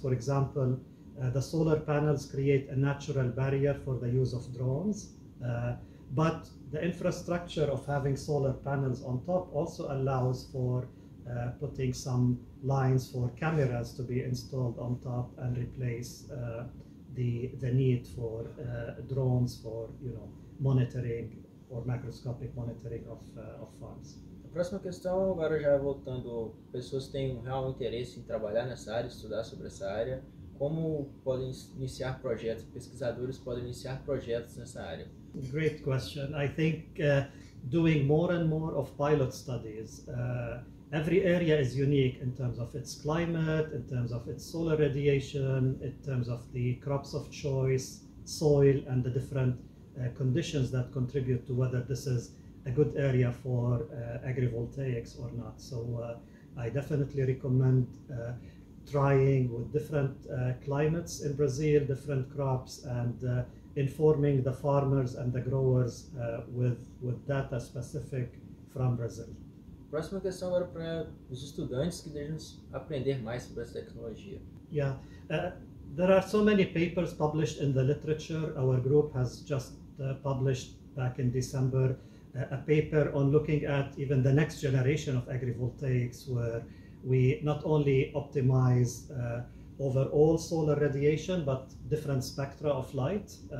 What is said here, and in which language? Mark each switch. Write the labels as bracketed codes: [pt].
[en] For example, the solar panels create a natural barrier for the use of drones, but the infrastructure of having solar panels on top also allows for putting some lines for cameras to be installed on top and replace the need for drones for, you know, monitoring or macroscopic monitoring of farms. [pt] A próxima questão, agora já voltando, pessoas têm um real interesse em trabalhar nessa área, estudar sobre essa área, como podem iniciar projetos, pesquisadores podem iniciar projetos nessa área? [en] Great question. I think doing more and more of pilot studies. Every area is unique in terms of its climate, in terms of its solar radiation, in terms of the crops of choice, soil, and the different conditions that contribute to whether this is a good area for agrivoltaics or not. So I definitely recommend trying with different climates in Brazil, different crops, and informing the farmers and the growers with data specific from Brazil. [pt] Próxima questão agora para os estudantes que desejam aprender mais sobre essa tecnologia. [en] Yeah, there are so many papers published in the literature. Our group has just published back in December a paper on looking at even the next generation of agrivoltaics, where we not only optimize overall solar radiation, but different spectra of light.